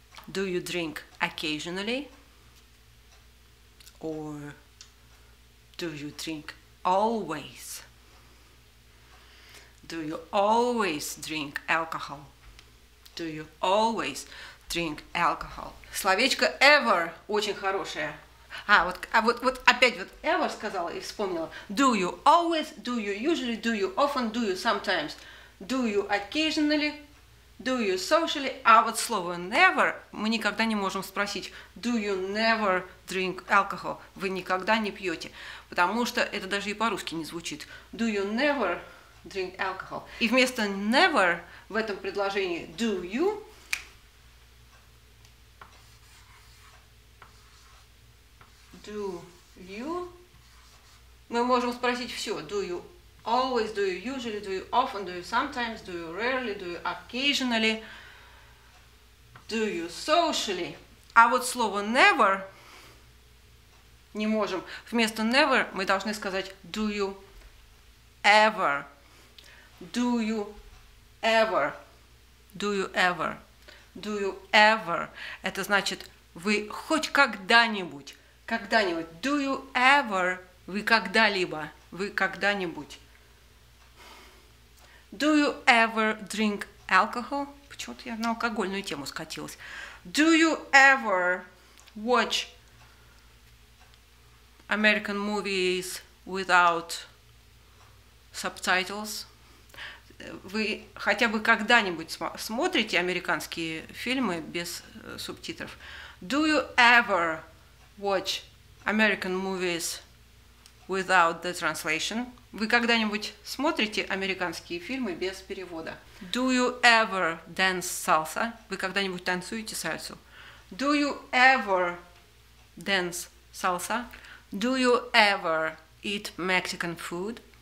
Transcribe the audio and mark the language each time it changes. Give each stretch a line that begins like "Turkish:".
English: Do you drink occasionally? Or do you drink always? Do you always drink alcohol? Do you always drink alcohol?
Russian: Словечко ever очень хорошее. Вот опять вот ever сказала и вспомнила.
English: Do you always, do you usually, do you often, do you sometimes, do you occasionally, do you socially.
Russian: А вот слово never мы никогда не можем спросить.
English: Do you never drink alcohol?
Russian: Вы никогда не пьете, потому что это даже и по-русски не звучит.
English: Do you never drink alcohol.
Russian: И вместо never в этом предложении
English: do you
Russian: мы можем спросить все.
English: Do you always, do you usually, do you often, do you sometimes, do you rarely, do you occasionally, do you socially.
Russian: А вот слово never не можем. Вместо never мы должны сказать
English: do you ever. Do you ever? Do you ever? Do you ever?
Russian: Это значит, вы хоть когда-нибудь, когда-нибудь.
English: Do you ever?
Russian: Вы когда-либо, вы когда-нибудь.
English: Do you ever drink alcohol?
Russian: Почему-то я на алкогольную тему скатилась.
English: Do you ever watch American movies without subtitles?
Russian: Вы хотя бы когда-нибудь смотрите американские фильмы без субтитров?
English: Do you ever watch American movies without the translation?
Russian: Вы когда-нибудь смотрите американские фильмы без перевода?
English: Do you ever dance salsa?
Russian: Вы когда-нибудь танцуете сальсу?
English: Do you ever dance salsa? Do you ever eat Mexican food?